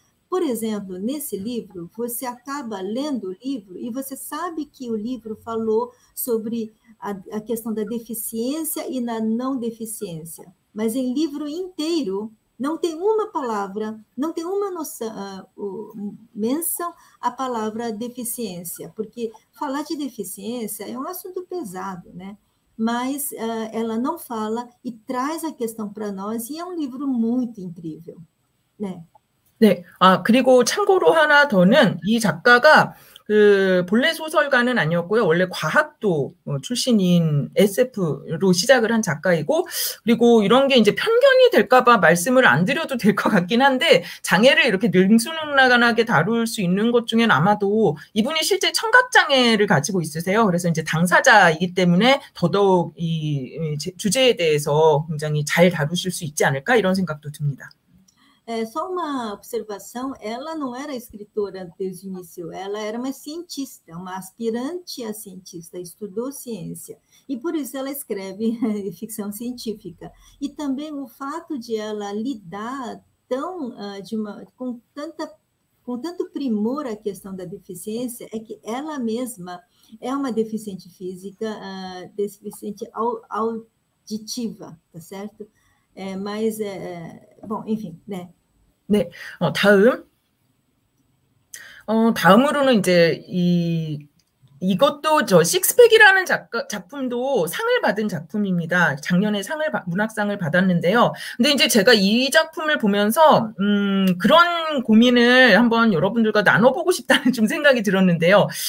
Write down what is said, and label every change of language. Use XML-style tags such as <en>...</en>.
<pt>Por exemplo, nesse livro, você acaba lendo o livro e você sabe que o livro falou sobre a questão da deficiência e na não deficiência, mas em livro inteiro não tem uma palavra, não tem uma noção, menção à palavra deficiência, porque falar de deficiência é um assunto pesado, né? Mas ela não fala e traz a questão para nós, e é um livro muito incrível, né?</pt> <ko>네. 아, 그리고 참고로 하나 더는 이 작가가 그 본래 소설가는 아니었고요. 원래 과학도 출신인 SF로 시작을 한 작가이고, 그리고 이런 게 이제 편견이 될까봐 말씀을 안 드려도 될것 같긴 한데, 장애를 이렇게 능수능란하게 다룰 수 있는 것 중엔 아마도 이분이 실제 청각장애를 가지고 있으세요. 그래서 이제 당사자이기 때문에 더더욱 이 주제에 대해서 굉장히 잘 다루실 수 있지 않을까 이런 생각도 듭니다.</ko> <pt>É, só uma observação, ela não era escritora desde o início, ela era uma cientista, uma aspirante a cientista, estudou ciência, e por isso ela escreve ficção científica. E também o fato de ela lidar tão, de uma, com tanto primor a questão da deficiência, é que ela mesma é uma deficiente física, deficiente auditiva, tá certo? É, mas, bom, enfim, né?</pt> <ko>네, 다음으로는 이제 이것도 저 식스팩이라는 작품도 상을 받은 작품입니다. 작년에 문학상을 받았는데요. 근데 이제 제가 이 작품을 보면서 그런 고민을 한번 여러분들과 나눠보고 싶다는 좀 생각이 들었는데요.</ko>